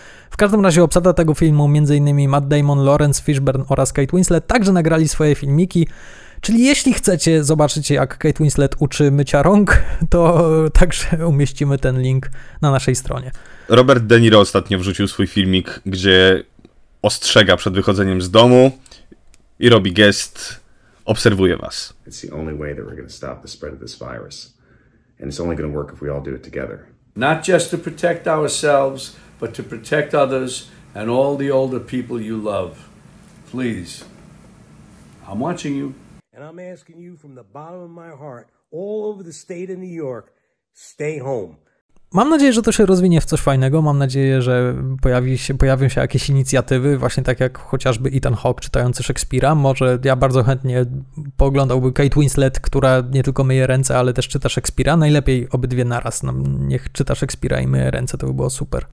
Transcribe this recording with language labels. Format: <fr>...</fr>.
<pl>W każdym razie obsada tego filmu, m.in. Matt Damon, Lawrence Fishburne oraz Kate Winslet, także nagrali swoje filmiki, czyli jeśli chcecie zobaczyć, jak Kate Winslet uczy mycia rąk, to także umieścimy ten link na naszej stronie. Robert De Niro ostatnio wrzucił swój filmik, gdzie ostrzega przed wychodzeniem z domu i robi gest... Obserwuję was.</pl> <en>It's the only way that we're going to stop the spread of this virus. And it's only going to work if we all do it together. Not just to protect ourselves, but to protect others and all the older people you love. Please. I'm watching you. And I'm asking you from the bottom of my heart, all over the state of New York, stay home.</en> <pl>Mam nadzieję, że to się rozwinie w coś fajnego. Mam nadzieję, że pojawią się jakieś inicjatywy, właśnie tak jak chociażby Ethan Hawke czytający Szekspira. Może ja bardzo chętnie pooglądałbym Kate Winslet, która nie tylko myje ręce, ale też czyta Szekspira. Najlepiej obydwie naraz. No, niech czyta Szekspira i myje ręce, to by było super.</pl>